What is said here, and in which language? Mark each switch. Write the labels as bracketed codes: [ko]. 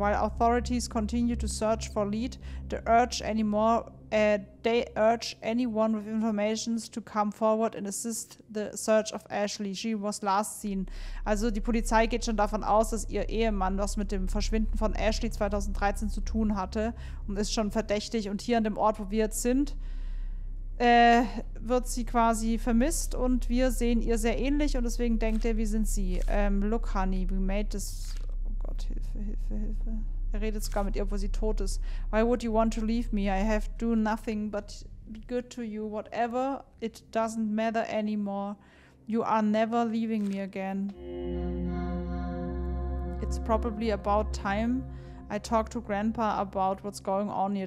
[en] While authorities continue to search for lead, they urge anyone with information to come forward and assist the search of Ashley. She was last seen. [de] Also die Polizei geht schon davon aus, dass ihr Ehemann was mit dem Verschwinden von Ashley 2013 zu tun hatte und ist schon verdächtig. Und hier an dem Ort, wo wir jetzt sind, wird sie quasi vermisst und wir sehen ihr sehr ähnlich und deswegen denkt er, wie sind sie? [en] Look, honey, we made this... [de] Oh Gott, Hilfe, Hilfe, Hilfe. Er redet sogar mit ihr, obwohl sie tot ist. [en] Why would you want to leave me? I have to do nothing but be good to you. Whatever, it doesn't matter anymore. You are never leaving me again. It's probably about time. I talk to Grandpa about what's going on here.